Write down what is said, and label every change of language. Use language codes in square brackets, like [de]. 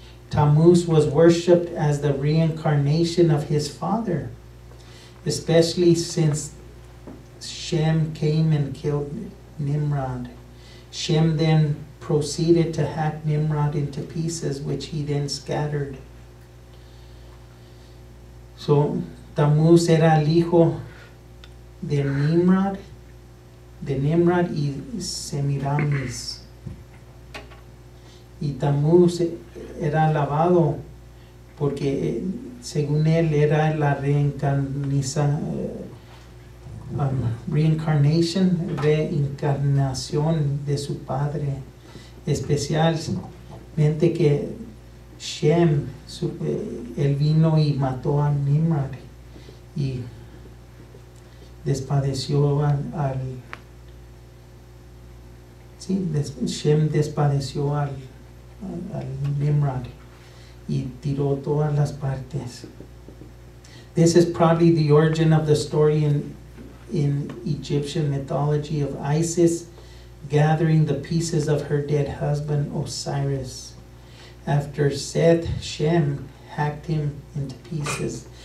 [en] Tammuz was worshipped as the reincarnation of his father, especially since Shem came and killed Nimrod. Shem then proceeded to hack Nimrod into pieces, which he then scattered. [es] So Tammuz era el hijo de Nimrod, y Semiramis. Y Tammuz era alabado porque según él era la reencarnación de su padre, especialmente que Shem, él vino y mató a Nimrod y despadeció al Shem despadeció al Nimrod y tiró todas las partes. [en] This is probably the origin of the story in Egyptian mythology of Isis gathering the pieces of her dead husband Osiris after Seth Shem hacked him into pieces.